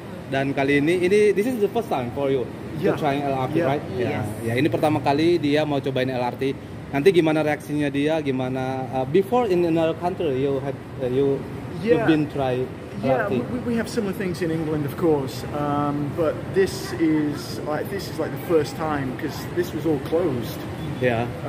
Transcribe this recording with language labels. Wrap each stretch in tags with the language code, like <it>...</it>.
<id>Dan kali ini</id> <en>this is the first time for you to trying LRT, right? Yes. Yeah,</en> <id>ini pertama kali dia mau cobain LRT. Nanti gimana reaksinya dia, gimana</id> <en>before in another country you had you've been try LRT. We have similar things in England, of course, but this is like the first time because this was all closed. Yeah.</en>